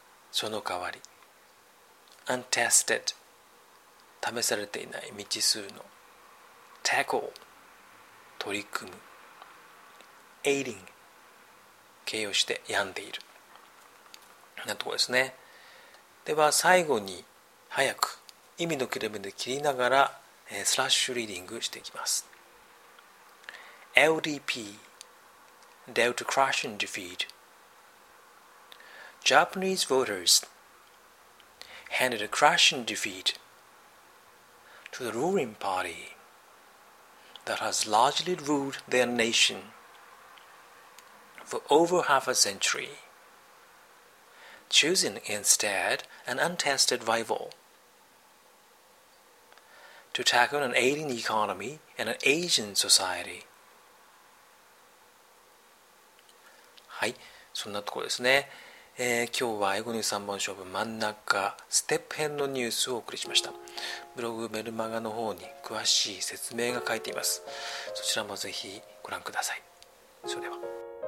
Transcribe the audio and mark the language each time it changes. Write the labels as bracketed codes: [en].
[ja] その代わり untested 試されていない未知数の tackle 取り組む aiding 形容して病んでいるなところですね。では最後に早く意味の切れ目で切りながらスラッシュリーディングしていきます。 [en] LDP Dealt Crushing Defeat Japanese voters handed a crushing defeat to the ruling party that has largely ruled their nation for over half a century, choosing instead an untested rival to tackle an ailing economy and an aging society. [ja] はい、そんなところですね。今日は英語の3本勝負真ん中ステップ編のニュースをお送りしました。ブログメルマガの方に詳しい説明が書いています。そちらもぜひご覧ください。それでは。